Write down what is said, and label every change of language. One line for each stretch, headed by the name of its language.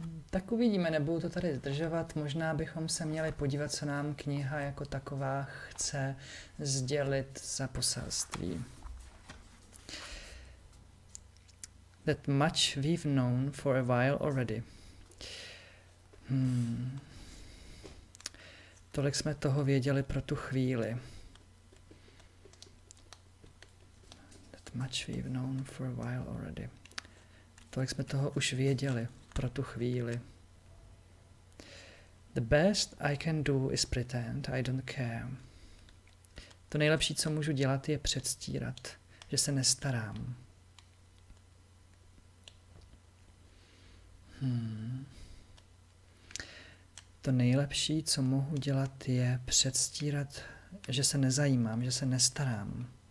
Czech: Tak uvidíme, nebudu to tady zdržovat. Možná bychom se měli podívat, co nám kniha jako taková chce sdělit za poselství.
English: That much we've known for a while already.
Czech: Tolik jsme toho věděli pro tu chvíli.
English: That much we've known for a while already.
Czech: Tolik jsme toho už věděli. Pro tu chvíli.
English: The best I can do is pretend I don't care.
Czech: To nejlepší, co můžu dělat, je předstírat, že se nestarám. To nejlepší, co mohu dělat, je předstírat, že se nezajímám, že se nestarám.